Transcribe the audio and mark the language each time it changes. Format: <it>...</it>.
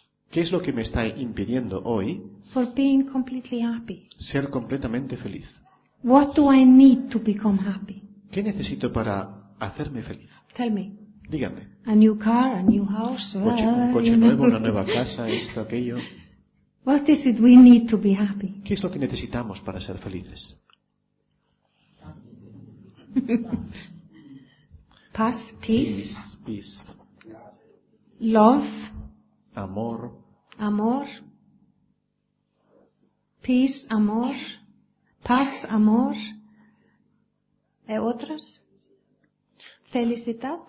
<es>¿Qué es lo que me está impidiendo hoy?</es> <en>For being completely happy.</en> <es>Ser completamente feliz.</es> <en>What do I need to become happy?</en> <es>¿Qué necesito para hacerme feliz?</es> <en>Tell me.</en> <es>Díganme.</es> <en>A new car, a new house.</en> <es>Un coche nuevo, una nueva casa, esto, aquello.</es> <en>What is it we need to be happy?</en> <es>¿Qué es lo que necesitamos para ser felices? Paz,</es> <en>peace. Peace. Love.</en> <es>Amor. Amor.</es> <en>Peace,</en> <es>amor, paz, amor, ¿e otras? Felicidad.</es>